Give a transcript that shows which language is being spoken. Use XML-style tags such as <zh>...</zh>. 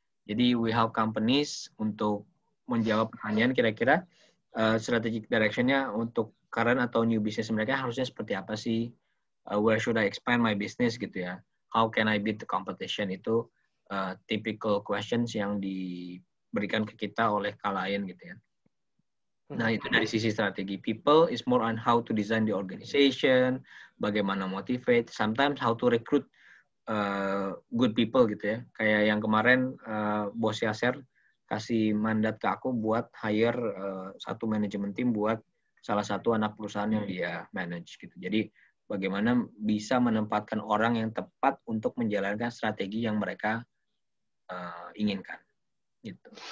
<id>Jadi</id> <en>we help companies</en> <id>untuk menjawab pertanyaan kira-kira strategic direction-nya untuk current atau new business mereka harusnya seperti apa sih?</id> <en>Where should I expand my business</en> <id>gitu ya?</id> <en>How can I beat the competition?</en> <id>Itu</id> <en>typical questions</en> <id>yang diberikan ke kita oleh klien gitu ya. Nah, itu dari sisi strategi.</id> <en>People is more on how to design the organization, bagaimana motivate, sometimes how to recruit good people</en> <id>gitu ya. Kayak yang kemarin bos Yaser kasih mandat ke aku buat hire satu management team buat salah satu anak perusahaan yang dia manage gitu. Jadi bagaimana bisa menempatkan orang yang tepat untuk menjalankan strategi yang mereka inginkan gitu.</id>